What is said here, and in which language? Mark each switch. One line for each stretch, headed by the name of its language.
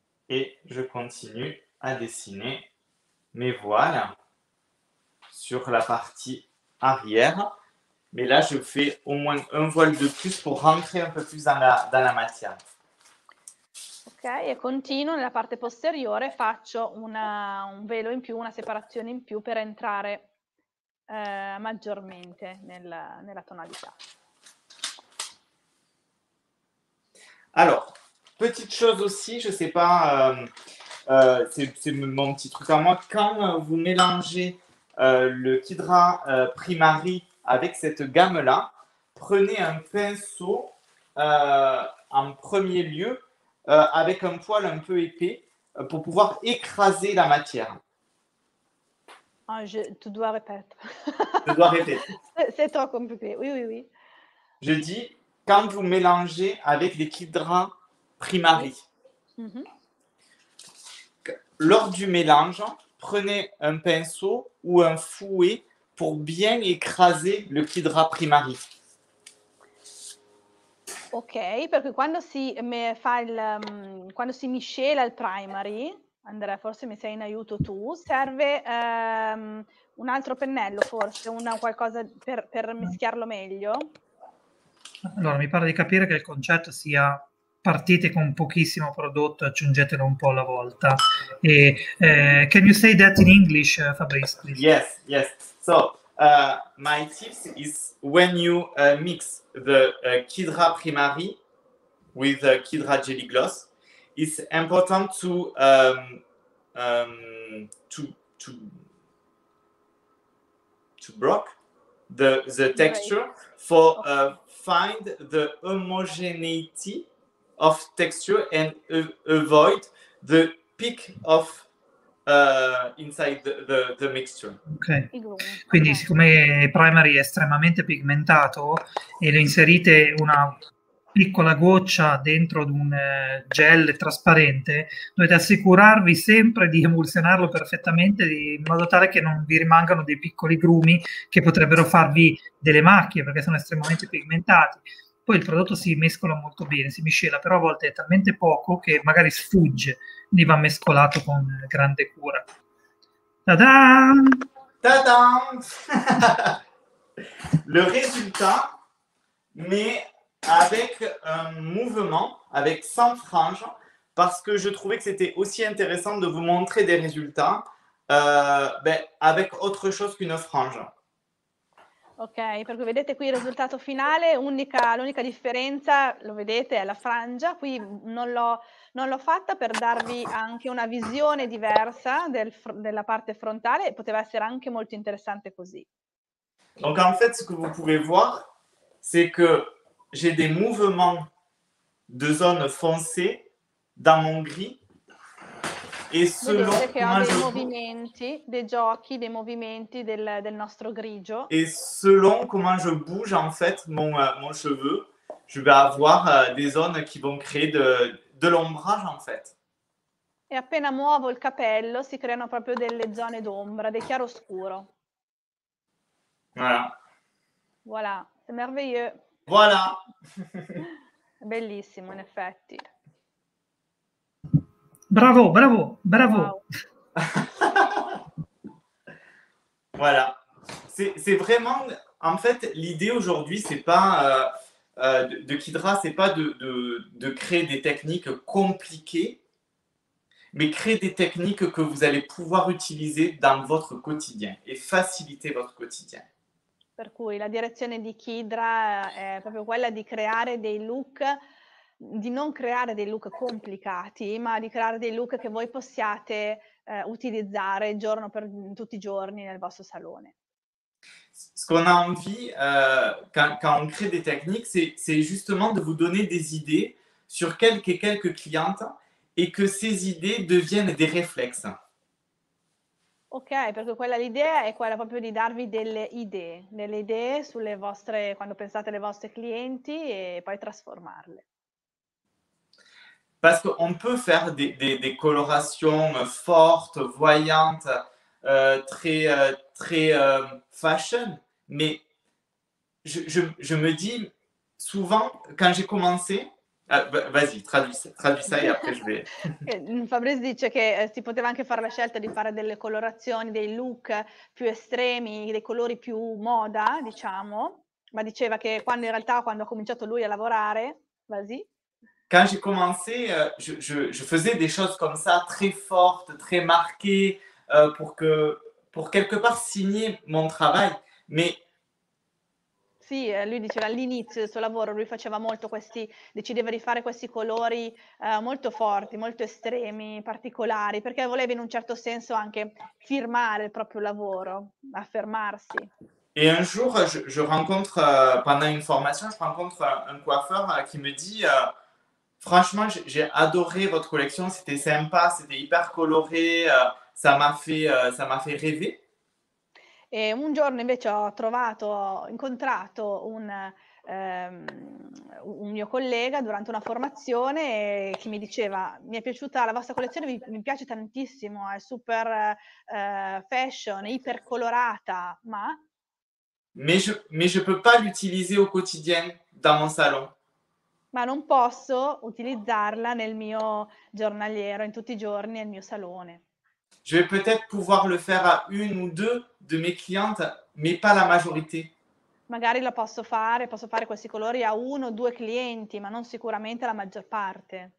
French: Et je continue à dessiner mes voiles sur la partie arrière. Mais là, je fais au moins un voile de plus pour rentrer un peu plus dans la matière.
Italian: Ok, e continuo nella parte posteriore, faccio un velo in più, una separazione in più per entrare maggiormente nella tonalità. Allora,
French: petite chose aussi, je sais pas, c'est mon petit truc à moi, quand vous mélangez le Kidra primari avec cette gamme-là, prenez un pinceau en premier lieu, avec un poil un peu épais pour pouvoir écraser la matière. Ah, tu dois répéter. Je dois répéter. C'est trop compliqué. Oui, oui, oui. Je dis, quand vous mélangez avec des kidras primari, lors du mélange, prenez un pinceau ou un fouet pour bien écraser le kidra primari.
Italian: Ok, perché quando si fa quando si miscela il primary, Andrea, forse mi sei in aiuto tu, serve un altro pennello, forse, qualcosa per mischiarlo meglio? Allora, mi pare di capire che il concetto sia partite con pochissimo prodotto, aggiungetelo un po' alla volta.
English: E, can you say that in English, Fabrice? Please? Yes, yes. So... my tips is when you mix the Kidra primary with the Kidra jelly gloss, it's important to block the texture for find the homogeneity of texture and avoid the peak of inside the mixture. Okay.
Italian: Quindi siccome il primary è estremamente pigmentato e lo inserite una piccola goccia dentro ad un gel trasparente, dovete assicurarvi sempre di emulsionarlo perfettamente in modo tale che non vi rimangano dei piccoli grumi che potrebbero farvi delle macchie perché sono estremamente pigmentati. Poi il prodotto si mescola molto bene, si miscela, però a volte è talmente poco che magari sfugge, quindi va mescolato con grande cura. Ta-da! Ta-da!
French: Le
Italian: risultato,
French: ma avec un mouvement, avec 100 frange, parce que je trouvais que c'était aussi intéressant de vous montrer des résultats avec autre chose qu'une frange.
Italian: Ok, perché vedete qui il risultato finale, l'unica differenza, lo vedete, è la frangia. Qui non l'ho fatta per darvi anche una visione diversa della parte frontale, poteva essere anche molto interessante così.
French: Donc en fait, ce que vous pouvez voir, c'est que j'ai des mouvements de zone foncée dans mon gris.
Italian: E solo dei movimenti, dei giochi, dei movimenti del nostro grigio.
French: E selon comment je bouge en fait mon cheveu, je vais avoir des zones qui vont créer de l'ombrage en fait.
Italian: E appena muovo il capello si creano proprio delle zone d'ombra, dei chiaroscuro.
French: Voilà. Voilà, c'est merveilleux. Voilà.
Italian: Bellissimo in effetti. Bravo, bravo, bravo. Wow.
French: Voilà. C'est vraiment, en fait, l'idée aujourd'hui, c'est pas de Kidra, c'est pas de créer des techniques compliquées, mais créer des techniques que vous allez pouvoir utiliser dans votre quotidien et faciliter votre quotidien.
Italian: Per cui la direzione di Kidra è proprio quella di creare dei look, di non creare dei look complicati, ma di creare dei look che voi possiate utilizzare giorno per tutti i giorni nel vostro salone.
French: Ce qu'on a envie quand on crée des techniques, c'est justement de vous donner des idées sur quelques clientes et que ces idées deviennent des réflexes.
Italian: Ok, perché quella l'idea è quella proprio di darvi delle idee sulle vostre, quando pensate alle vostre clienti e poi trasformarle.
French: Parce qu'on peut faire des colorations fortes, voyantes, très fashion, mais je me dis souvent, quand j'ai commencé, vas-y, traduis ça et après je vais.
Italian: Fabrice dice che si poteva anche fare la scelta di fare delle colorazioni, dei look più estremi, dei colori più moda, diciamo, ma diceva che quando in realtà, quando ha cominciato lui a lavorare,
French: vas-y. Quand j'ai commencé, je faisais des choses comme ça, très fortes, très marquées, pour quelque part signer mon travail, mais...
Italian: Sì, lui diceva all'inizio del suo lavoro, lui faceva molto questi, decideva di fare questi colori molto forti, molto estremi, particolari, perché voleva in un certo senso anche firmare il proprio lavoro, affermarsi.
French: Et un jour, je rencontre, pendant une formation, je rencontre un coiffeur qui me dit, franchement, j'ai adoré votre collection, c'était sympa, c'était hyper coloré, ça m'a fait rêver.
Italian: E un giorno invece ho incontrato un mio collega durante una formazione che mi diceva: mi è piaciuta la vostra collezione, mi piace tantissimo, è super fashion, ipercolorata, ma...
French: Mais je peux pas l'utiliser au quotidien dans mon salon.
Italian: Ma non posso utilizzarla nel mio giornaliero, in tutti i giorni, nel mio salone.
French: Je vais peut-être pouvoir le faire à une ou deux de mes clientes, mais pas la majorité.
Italian: Magari la posso fare questi colori a uno o due clienti, ma non sicuramente la maggior parte.